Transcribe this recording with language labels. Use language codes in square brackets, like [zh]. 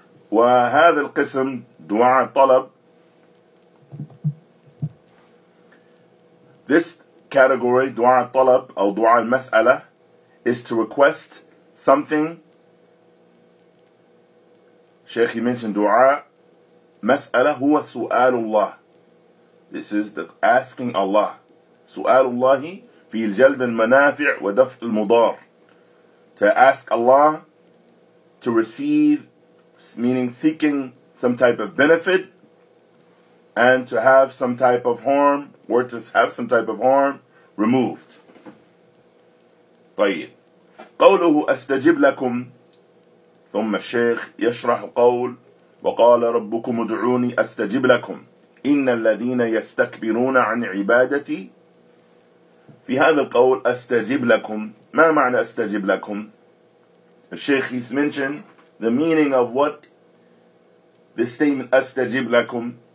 [ar] Wa hadha al-qism دعاء طلب. [en] This category, [ar] دعاء طلب أو دعاء المسألة, [en] is to request something. Sheikh, you mentioned [ar] دعاء مسألة هو سؤال الله. [en] This is the asking Allah. [ar] سؤال الله في جلب المنافع ودفع المضار. [en] To ask Allah to receive, meaning seeking some type of benefit, and to have some type of harm, or to have some type of harm removed. [ar] طيب. قوله أستجب لكم. ثم الشيخ يشرح قول: وقال ربكم ادعوني أستجب لكم إن الذين يستكبرون عن عبادتي. في هذا القول أستجب لكم، ما معنى أستجب لكم؟ الشيخ [en] he's mentioned the meaning of what this statement, [ar] أستجب لكم.